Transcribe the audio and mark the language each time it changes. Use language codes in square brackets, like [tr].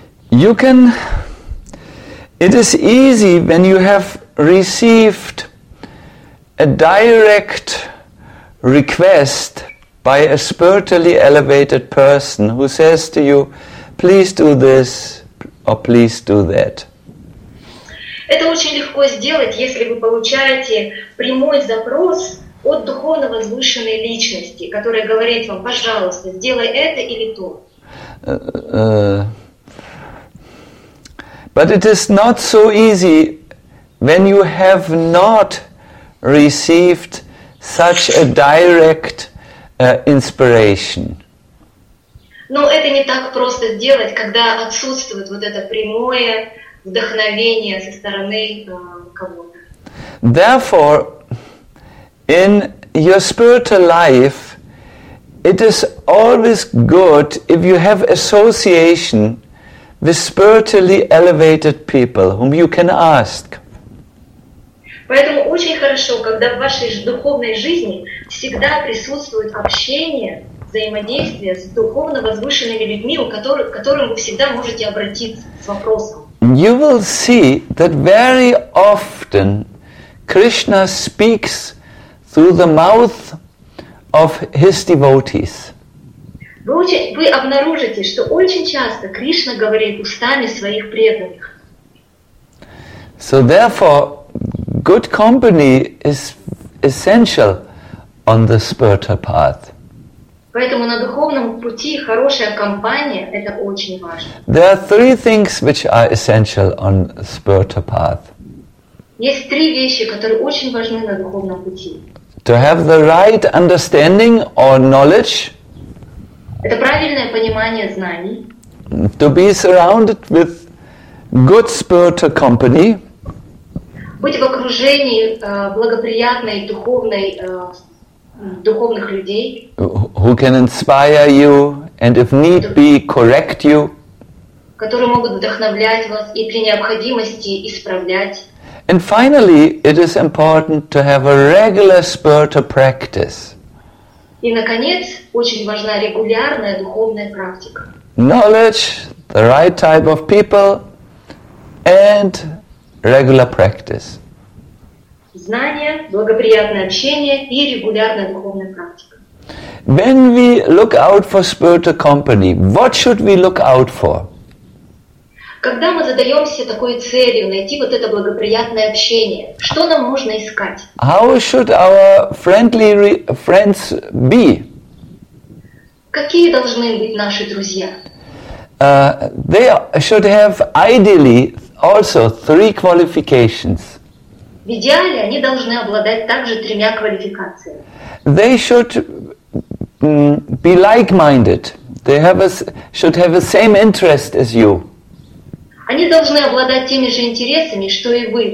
[en] You can, it is easy when you have received a direct request by a spiritually elevated person who says to you, please do this or please do that. [ru] Это очень легко сделать, если вы получаете прямой запрос от духовно возвышенной личности, которая говорит вам, пожалуйста, сделай это или то. [en] But it is not so easy when you have not received such a direct inspiration. [ru] Но это не так просто сделать, когда отсутствует вот это прямое вдохновение со стороны кого-то. [en] Therefore, in your spiritual life, it is always good if you have association with spiritually elevated people whom you can ask. [ru] Поэтому очень хорошо, когда в вашей духовной жизни всегда присутствует общение, взаимодействие с духовно возвышенными людьми, к которым вы всегда можете обратиться с вопросом. [en] You will see that very often Krishna speaks through the mouth of his devotees. [ru] Вы обнаружите, что очень часто Кришна говорит устами своих преданных. [en] So therefore, good company is essential on the spiritual path. [ru] Поэтому на духовном пути хорошая компания – это очень важно. [en] There are three things which are essential on spiritual path. [ru] Есть три вещи, которые очень важны на духовном пути. [en] To have the right understanding or knowledge. [ru] Это правильное понимание знаний. [en] To be surrounded with good spiritual company. [ru] Быть в окружении благоприятной духовной духовных людей. [en] Who can inspire you and if need be correct you. [ru] Которые могут вдохновлять вас и при необходимости исправлять. [en] And finally, it is important to have a regular spiritual practice. [ru] И наконец, очень важна регулярная духовная практика. [en] Knowledge, the right type of people, and regular practice. [ru] Знания, благоприятное общение и регулярная духовная практика. [en] When we look out for spiritual company, what should we look out for? [ru] Когда мы задаемся такой целью найти вот это благоприятное общение, что нам нужно искать? [en] How should our friendly friends be? [ru] Какие должны быть наши друзья? [en] They should have ideally also three qualifications. [ru] В идеале они должны обладать также тремя квалификациями. [en] They should be like-minded. They have should have the same interest as you. [ru] Они должны обладать теми же интересами, что и вы.